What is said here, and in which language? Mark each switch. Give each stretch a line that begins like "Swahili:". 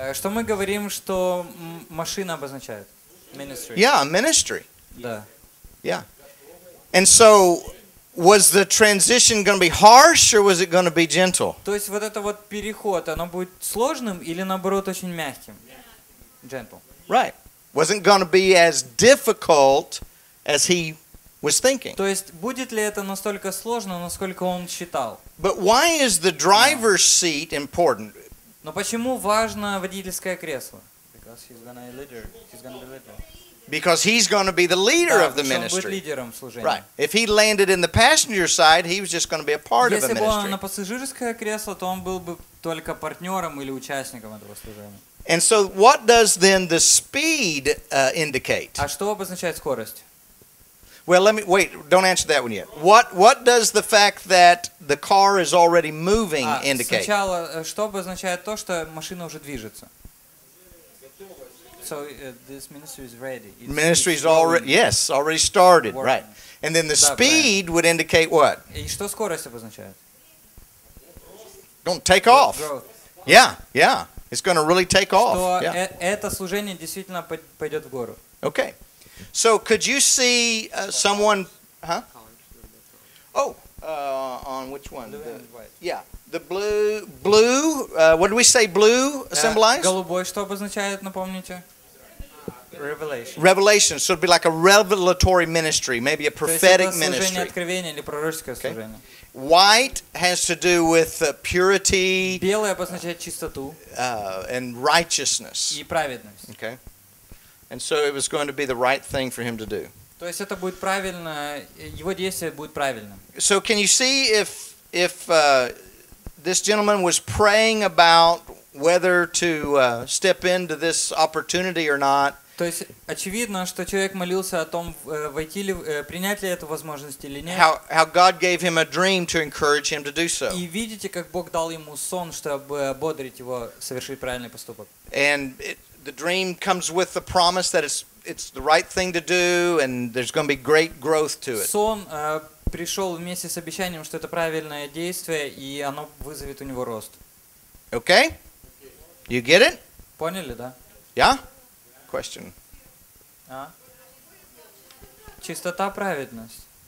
Russian: Что мы говорим, что машина обозначает?
English: Ministry. Yeah, ministry.
Russian: Да.
English: Yeah. And so, was the transition going to be harsh or was it going to be gentle?
Russian: То есть вот это вот переход, оно будет сложным или наоборот очень мягким?
English: Gentle. Right. Wasn't going to be as difficult as he was thinking.
Russian: То есть будет ли это настолько сложно, насколько он считал?
English: But why is the driver's seat important?
Russian: Но почему важно водительское кресло?
English: Because he's going to be leader. He's going to be leader. Because he's going to be the leader of the ministry.
Russian: Он будет лидером служения.
English: Right. If he landed in the passenger side, he was just going to be a part of the ministry.
Russian: Если бы он на пассажирское кресло, то он был бы только партнером или участником этого служения.
English: And so, what does then the speed indicate?
Russian: А что обозначает скорость?
English: Well, wait, don't answer that one yet. What does the fact that the car is already moving indicate?
Russian: Сначала, что обозначает то, что машина уже движется?
English: So this ministry is ready. Ministry is already, yes, already started, working. Right. And then the speed would indicate what?
Russian: И что скорость обозначает?
English: Going to take off. Growth. Yeah, yeah. It's going to really take off.
Russian: Что
English: yeah.
Russian: Это служение действительно пойдет в гору.
English: Okay. So could you see someone, huh? Oh, on which one? The blue, what did we say blue symbolized?
Russian: Голубой, что обозначает, напомните?
English: Revelation. Revelation, so it'd be like a revelatory ministry, maybe a prophetic ministry.
Russian: То есть это служение откровения или пророческое служение.
English: White has to do with purity.
Russian: Белый обозначает чистоту.
English: And righteousness.
Russian: И праведность.
English: Okay. And so it was going to be the right thing for him to do.
Russian: То есть это будет правильно, его действие будет правильным.
English: So can you see if this gentleman was praying about whether to step into this opportunity or not?
Russian: То есть очевидно, что человек молился о том, войти ли, принять ли эту возможность или нет.
English: How God gave him a dream to encourage him to do so.
Russian: И видите, как Бог дал ему сон, чтобы ободрить его совершить правильный поступок.
English: And the dream comes with the promise that it's the right thing to do, and there's going to be great growth to it.
Russian: Сон пришел вместе с обещанием, что это правильное действие, и оно вызовет у него рост.
English: Okay? You get it?
Russian: Поняли, да?
English: Yeah? Question.
Russian: Чистота праведность.